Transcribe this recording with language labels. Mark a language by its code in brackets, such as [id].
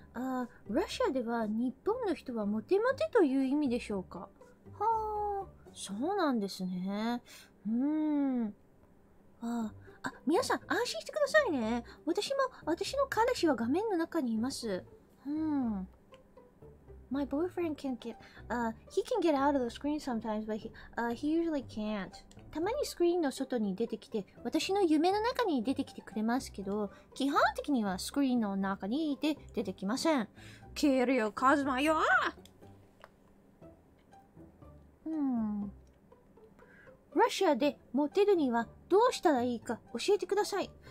[ja] ああ、ロシアでは日本の人はモテモテという意味でしょうか。はあ、そうなんですね。皆さん安心してくださいね。私の彼氏は画面の中にいます。 [en] My boyfriend can get, he can get out of the screen sometimes, but he usually can't. [ja] たまにスクリーンの外に出てきて、私の夢の中に出てきてくれますけど、基本的にはスクリーンの中にいて出てきません。消えるよ、カズマよ。ロシアでモテるにはどうしたらいいか教えてください。